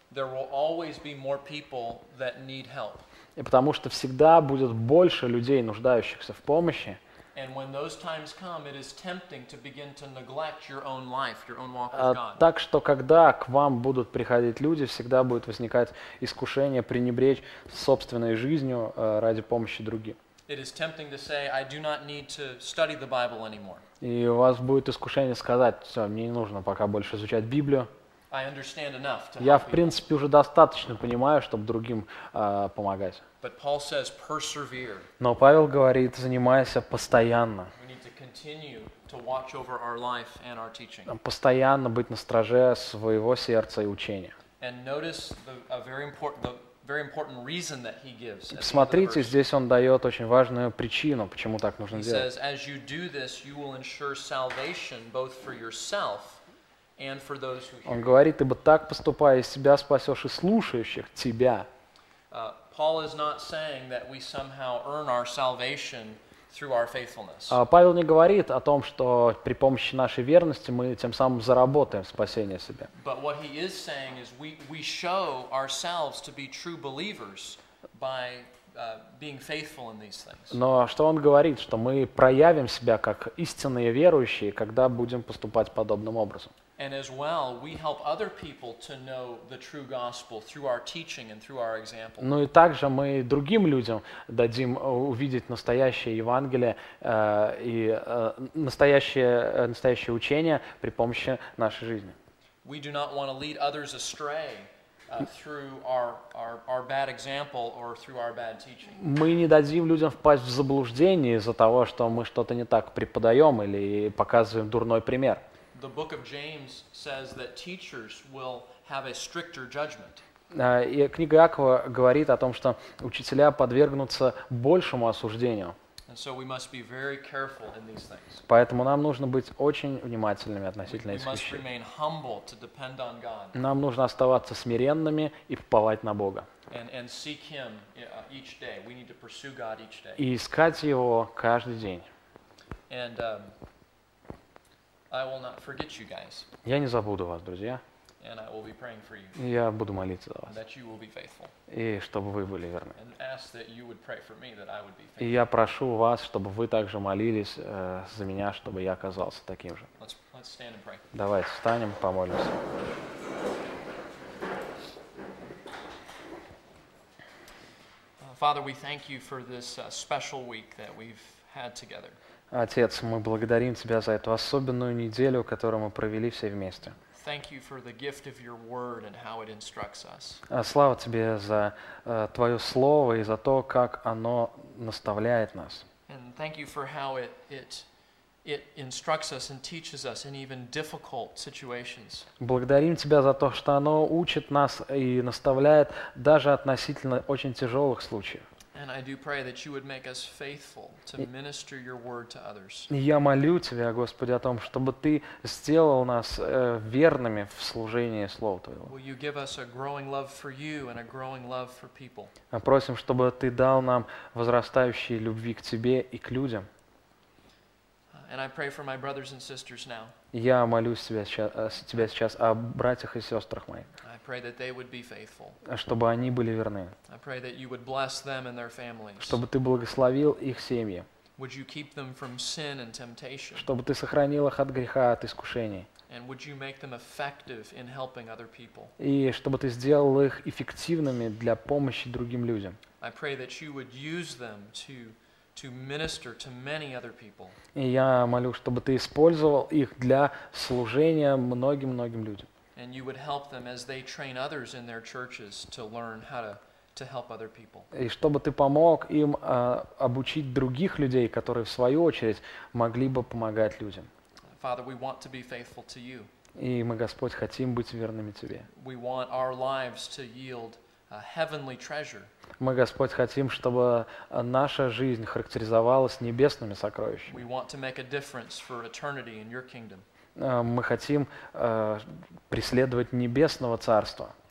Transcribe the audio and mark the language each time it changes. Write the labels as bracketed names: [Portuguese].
[English] There will always be more people that need help. [Russian] И потому что всегда будет больше людей, нуждающихся в помощи. [English] And when those times come, it is tempting to begin to neglect your own life, your own walk with God. [Russian] Так что когда к вам будут приходить люди, всегда будет возникать искушение пренебречь собственной жизнью ради помощи другим. [English] It is tempting to say, I do not need to study the Bible anymore. [Russian] И у вас будет искушение сказать, все, мне не нужно пока больше изучать Библию. [English] I understand enough to help. [Russian] Я в принципе уже достаточно понимаю, чтобы другим помогать. [English] But Paul says persevere. [Russian] Но Павел говорит, занимайся постоянно. [English] We need to continue to watch over our life and our teaching. [Russian] Постоянно быть на страже своего сердца и учения. [English] And notice the very important reason that he gives. [Russian] Посмотрите, здесь он дает очень важную причину, почему так нужно делать. [English] He says, as you do this, you will ensure salvation both for yourself and for those who hear. [Russian] Он говорит, ибо так поступая, из себя спасешь и слушающих тебя. [English] Paul is not saying that we somehow earn our salvation through our faithfulness. [Russian] Павел не говорит о том, что при помощи нашей верности мы тем самым заработаем спасение себе. [English] But what he is saying is we show ourselves to be true believers by being faithful in these things. [Russian] Но что он говорит, что мы проявим себя как истинные верующие, когда будем поступать подобным образом. [English] And as well, we help other people to know the true gospel through our teaching and through our example. [Russian] Ну и также мы другим людям дадим увидеть настоящее Евангелие и настоящее учение при помощи нашей жизни. [English] We do not want to lead others astray through our bad example or through our bad teaching. [Russian] Мы не дадим людям впасть в заблуждение из-за того, что мы что-то не так преподаем или показываем дурной пример. [English] The book of James says that teachers will have a stricter judgment. [Russian] И книга Иакова говорит о том, что учителя подвергнутся большему осуждению. [English] And so we must be very careful in these things. [Russian] Поэтому нам нужно быть очень внимательными относительно этих вещей. [English] We must remain humble to depend on God. [Russian] Нам нужно оставаться смиренными и уповать на Бога. [English] And seek Him each day. We need to pursue God each day. [Russian] И искать Его каждый день. [English] And I will not forget you guys. [Russian] Я не забуду вас, друзья. [English] And I will be praying for you. [Russian] Я буду молиться за вас. [English] That you will be faithful. [Russian] И чтобы вы были верны. [English] And ask that you would pray for me, that I would be faithful. [Russian] И я прошу вас, чтобы вы также молились за меня, чтобы я оказался таким же. [English] Let's stand and pray. [Russian] Давайте встанем, помолимся. [English] Father, we thank you for this special week that we've had together. [Russian] Отец, мы благодарим Тебя за эту особенную неделю, которую мы провели все вместе. [English] Thank you for the gift of your word and how it instructs us. [Russian] Слава тебе за твое слово и за то, как оно наставляет нас. [English] And thank you for how it instructs us and teaches us in even difficult situations. [Russian] Благодарим тебя за то, что оно учит нас и наставляет даже относительно очень тяжелых случаев. [English] And I do pray that you would make us faithful to minister your word to others. [Russian] Я молю тебя, Господи, о том, чтобы ты сделал нас верными в служении слову твоему. [English] Will you give us a growing love for you and a growing love for people? [Russian] Просим, чтобы ты дал нам возрастающие любви к тебе и к людям. [English] And I pray for my brothers and sisters now. [Russian] Я молюсь тебя сейчас о братьях и сестрах моих. [English] I pray that they would be faithful. [Russian] Чтобы они были верны. [English] I pray that you would bless them and their families. [Russian] Чтобы ты благословил их семьи. [English] Would you keep them from sin and temptation? [Russian] Чтобы ты сохранил их от греха, от искушений. [English] And would you make them effective in helping other people? [Russian] И чтобы ты сделал их эффективными для помощи другим людям. [English] I pray that you would use them to minister to many other people. [Russian] И я молю, чтобы ты использовал их для служения многим-многим людям. [English] And you would help them as they train others in their churches to learn how to help other people. [Russian] И чтобы ты помог им обучить других людей, которые в свою очередь могли бы помогать людям. [English] Father, we want to be faithful to you. [Russian] И мы, Господь, хотим быть верными тебе. [English] We want our lives to yield a heavenly treasure. [Russian] Мы, Господь, хотим, чтобы наша жизнь характеризовалась небесными сокровищами. [English] We want to make a difference for eternity in your kingdom. [Russian] Мы хотим преследовать Небесного Царства.